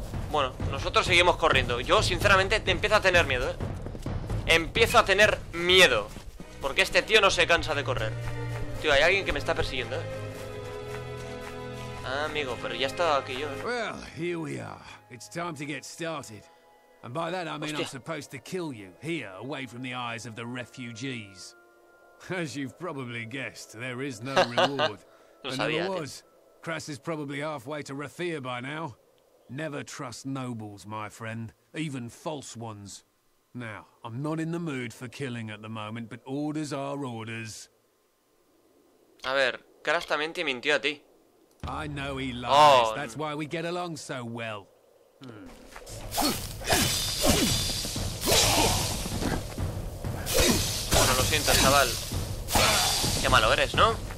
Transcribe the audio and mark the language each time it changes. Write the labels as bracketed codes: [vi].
[es] Bueno, nosotros seguimos corriendo. Yo, sinceramente, empiezo a tener miedo, ¿eh? Empiezo a tener miedo. Porque este tío no se cansa de correr. Tío, hay alguien que me está persiguiendo, ¿eh? Ah, amigo, pero ya estaba aquí yo, ¿eh? [en] Well, here we are. It's time to get started. And by that I mean I'm supposed to kill you here, away from the eyes of the refugees. As you've probably guessed, there is no reward. [es] No sabía, [en] there was. Crass is probably halfway to Rathia by now. Never trust nobles, my friend. Even false ones. Now, I'm not in the mood for killing at the moment, but orders are orders. [es] A ver, Crass también te mintió a ti. [en] I know he lies. Oh. That's why we get along so well. [es] Bueno, lo siento, chaval. Qué malo eres, ¿no?